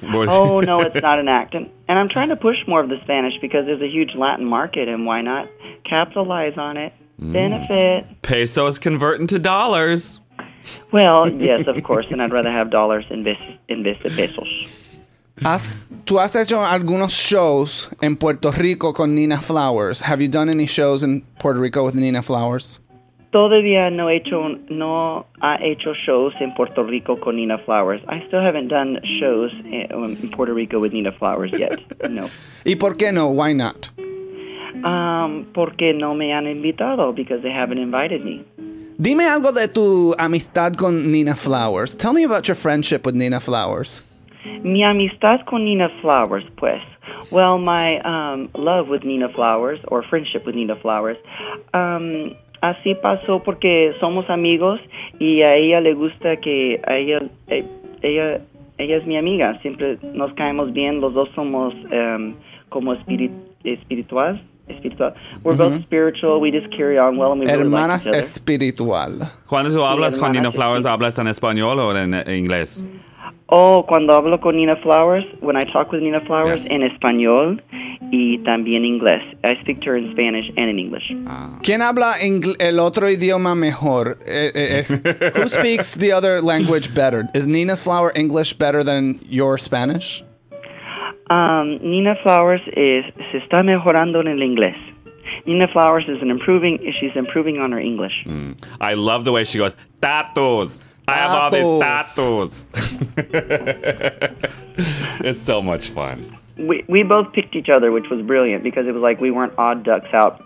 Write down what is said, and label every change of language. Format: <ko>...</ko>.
<en>Oh, no, it's not an act. And I'm trying to push more of the Spanish because there's a huge Latin market, and why not capitalize on it? Benefit. Pesos converting to dollars. Well, yes, of course, and I'd rather have dollars invested pesos.</en> <es>¿Tú has hecho algunos shows en Puerto Rico con Nina Flowers?</es> <en>Have you done any shows in Puerto Rico with Nina Flowers?</en> <es>Todavía no ha hecho shows en Puerto Rico con Nina Flowers.</es> <en>I still haven't done shows in Puerto Rico with Nina Flowers yet. No.</en> <es>¿Y por qué no?</es> <en>Why not?</en> <es>Porque no me han invitado,</es> <en>because they haven't invited me.</en> <es>Dime algo de tu amistad con Nina Flowers.</es> <en>Tell me about your friendship with Nina Flowers.</en> <es>Mi amistad con Nina Flowers, pues.</es> <en>Well, my love with Nina Flowers,</en> <es>or friendship with Nina Flowers, así pasó porque somos amigos y a ella le gusta que ella es mi amiga. Siempre nos caemos bien. Los dos somos como espirituales.</es> <en>We're both spiritual. We just carry on well, and we really</en> <es>hermanas</es> <en>like each other.</en> <es>Espiritual. Cuando tú hablas con Nina Flowers, ¿hablas en español o en inglés?</es> <en>Oh,</en> <es>cuando hablo con Nina Flowers,</es> <en>when I talk with Nina Flowers, yes.</en> <es>En español. y también inglés.</es> <en>I speak to her in Spanish and in English.</en> <es>¿Quién habla el otro idioma mejor?</es> <en>Who speaks the other language better? Is Nina's Flower English better than your Spanish?</en> <es>Nina Flowers se está mejorando en el inglés.</es> <en>Nina Flowers she's improving on her English. Mm. I love the way she goes, tatos. I have all these tatos. It's so much fun. We both picked each other, which was brilliant because it was like we weren't odd ducks out.</en>